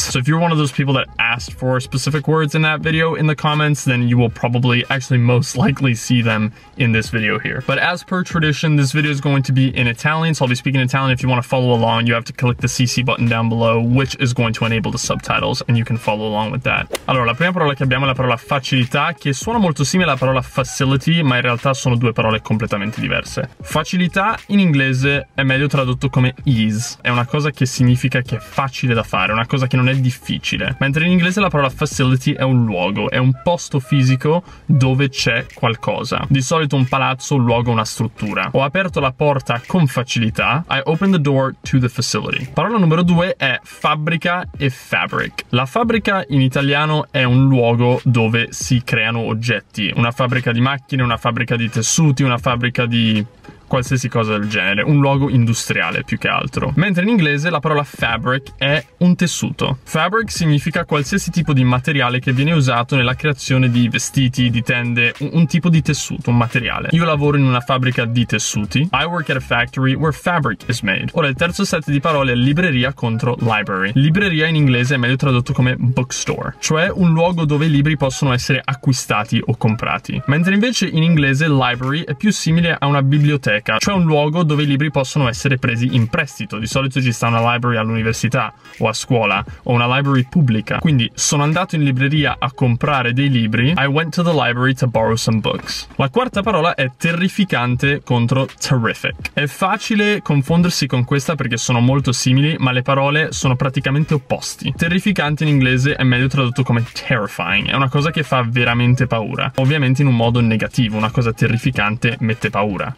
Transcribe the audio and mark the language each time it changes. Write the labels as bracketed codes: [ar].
[en] So if you're one of those people that asked for specific words in that video in the comments, then you will probably actually most likely see them in this video here. But as per tradition, this video is going to be in Italian, so I'll be speaking Italian. If you want to follow along, you have to click the CC button down below, which is going to enable the subtitles, and you can follow along with that. [it] Allora, la prima parola che abbiamo è la parola facilità, che suona molto simile alla parola facility, ma in realtà sono due parole completamente diverse. Facilità in inglese è meglio tradotto come ease. È una cosa che significa che è facile da fare, una cosa che non è difficile. Mentre in inglese la parola facility è un luogo, è un posto fisico dove c'è qualcosa. Di solito un palazzo, un luogo, una struttura. Ho aperto la porta con facilità. [en] I opened the door to the facility. [it] Parola numero due è fabbrica e fabric. La fabbrica in italiano è un luogo dove si creano oggetti. Una fabbrica di macchine, una fabbrica di tessuti, una fabbrica di... qualsiasi cosa del genere, un luogo industriale più che altro. Mentre in inglese la parola fabric è un tessuto. Fabric significa qualsiasi tipo di materiale che viene usato nella creazione di vestiti, di tende, un tipo di tessuto, un materiale. Io lavoro in una fabbrica di tessuti. [en] I work at a factory where fabric is made. [it] Ora il terzo set di parole è libreria contro library. Libreria in inglese è meglio tradotto come bookstore, cioè un luogo dove i libri possono essere acquistati o comprati. Mentre invece in inglese library è più simile a una biblioteca, cioè un luogo dove i libri possono essere presi in prestito. Di solito ci sta una library all'università o a scuola o una library pubblica. Quindi sono andato in libreria a comprare dei libri. [en] I went to the library to borrow some books. [it] La quarta parola è terrificante contro terrific. È facile confondersi con questa perché sono molto simili, ma le parole sono praticamente opposti. Terrificante in inglese è meglio tradotto come terrifying. È una cosa che fa veramente paura. Ovviamente in un modo negativo, una cosa terrificante mette paura.